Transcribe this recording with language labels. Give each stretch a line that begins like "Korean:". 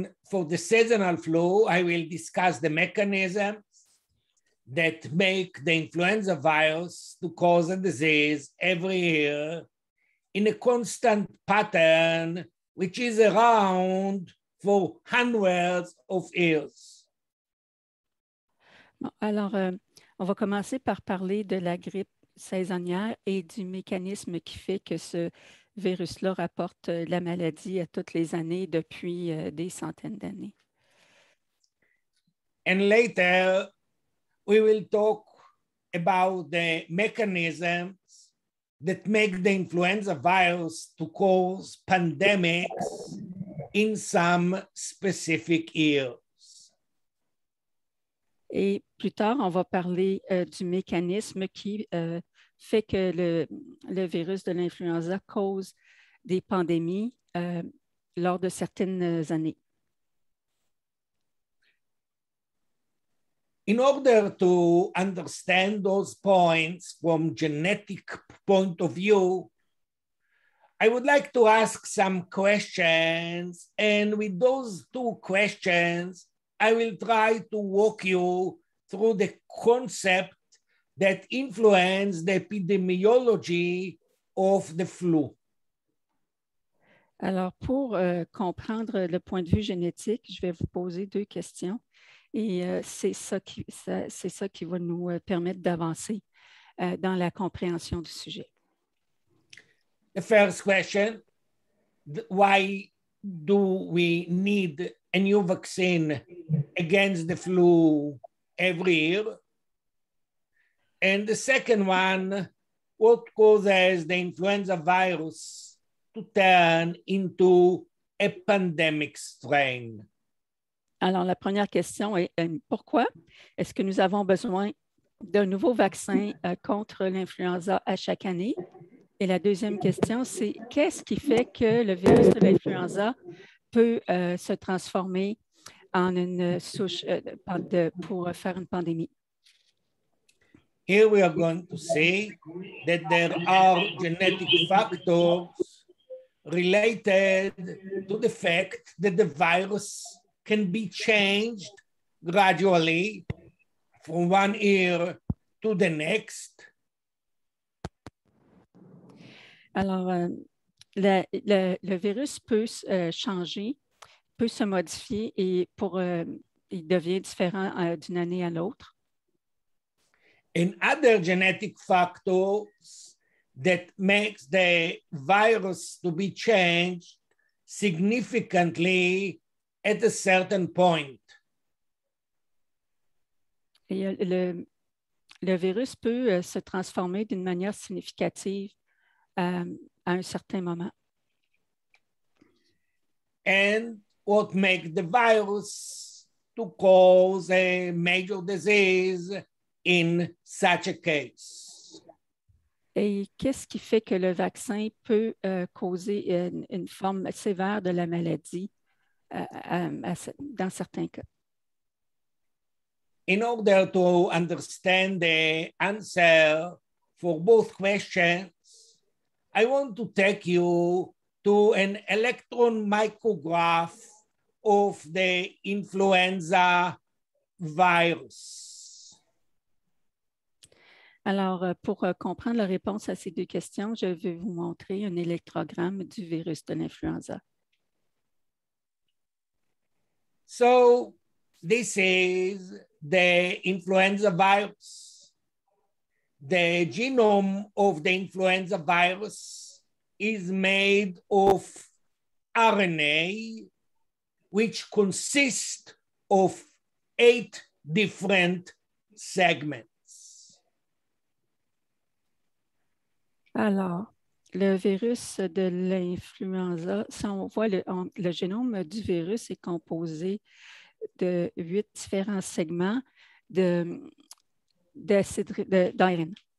English: For the seasonal flu, I will discuss the mechanisms that make the influenza virus to cause a disease every year in a constant pattern, which is around for hundreds of years.
French: Bon, alors, on va commencer par parler de la grippe saisonnière et du mécanisme qui fait que ce virus-là rapporte la maladie à toutes les années depuis des centaines d'années.
English: And later, we will talk about the mechanisms that make the influenza virus to cause pandemics in some specific years.
French: Et plus tard, on va parler du mécanisme qui fait que le virus de l'influenza cause des pandémies lors de certaines années.
English: In order to understand those points from genetic point of view, I would like to ask some questions, and with those two questions, I will try to walk you through the concept that influence the epidemiology of the flu.
French: Alors, pour comprendre le point de vue génétique, je vais vous poser deux questions, et c'est ça qui va nous permettre d'avancer dans la compréhension du sujet.
English: The first question, why do we need a new vaccine against the flu every year? And the second one, what causes the influenza virus to turn into a pandemic strain?
French: Alors, la première question est pourquoi est-ce que nous avons besoin d'un nouveau vaccin contre l'influenza à chaque année? Et la deuxième question, c'est qu'est-ce qui fait que le virus de l'influenza peut se transformer en une souche pour faire une pandémie?
English: Here we are going to see that there are genetic factors related to the fact that the virus can be changed gradually from one ear to the next.
French: Alors, le virus peut changer, peut se modifier et pour il devient différent d'une année à l'autre.
English: And other genetic factors that makes the virus to be changed significantly at a certain point.
French: Et le virus peut se transformer d'une manière significative à un certain moment.
English: And what makes the virus to cause a major disease in such a case?
French: Et qu'est-ce qui fait que le vaccin peut causer une forme sévère de la maladie dans certains cas?
English: In order to understand the answer for both questions, I want to take you to an electron micrograph of the influenza virus.
French: Alors, pour comprendre la réponse à ces deux questions, je vais vous montrer un électrogramme du virus de l'influenza.
English: So, this is the influenza virus. The genome of the influenza virus is made of RNA, which consists of 8 different segments.
French: Alors, le virus de l'influenza, si on voit le génome du virus est composé de 8 différents segments d'ARN.